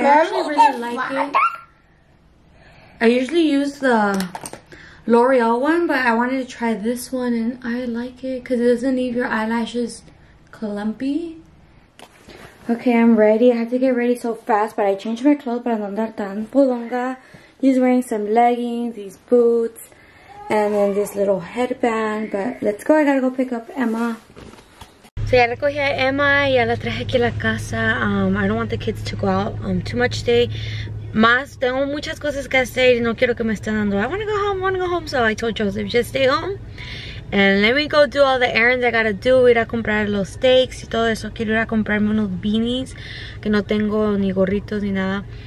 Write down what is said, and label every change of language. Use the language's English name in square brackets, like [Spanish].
[English] I actually really like it. I usually use the L'Oreal one, but I wanted to try this one and I like it because it doesn't leave your eyelashes clumpy. Okay, I'm ready. I have to get ready so fast, but I changed my clothes [Spanish] para no andar tan pulonga. [English] He's wearing some leggings, these boots, and then this little headband. But let's go. I gotta go pick up Emma. [Spanish] So ya recogí a Emma y ya la traje aquí a la casa. [English] I don't want the kids to go out too much today. [Spanish] Más, tengo muchas cosas que hacer y no quiero que me estén dando. [English] I want to go home. So I told Joseph, just stay home. And let me go do all the errands I gotta do. [Spanish] Ir a comprar los steaks y todo eso. Quiero ir a comprarme unos beanies que no tengo ni gorritos ni nada.